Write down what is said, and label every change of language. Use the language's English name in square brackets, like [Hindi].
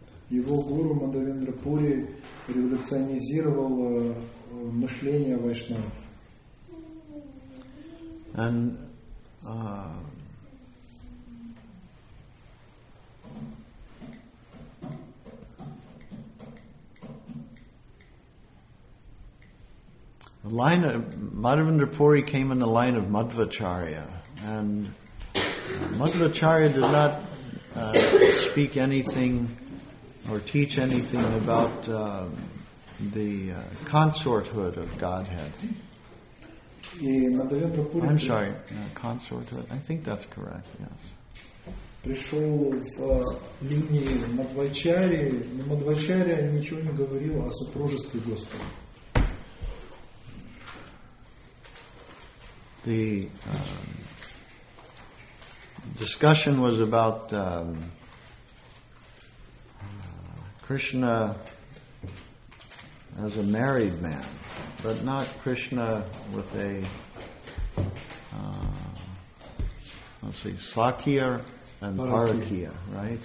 [Russian] Его гуру Мадхавендра Пури революционизировал мышление вайшнавов. [English] And the line of Madhavendra Puri came in the line of Madhvacharya, and Madhvacharya did not speak anything or teach anything about the consorthood of Godhead. I'm sorry, consorthood. I think that's correct. Yes. [Russian] Пришел в линии Мадвачари, но Мадвачария ничего не говорил о супружестве Господа. [English] The discussion was about Krishna as a married man, but not Krishna with a Svakya and Parakya, right?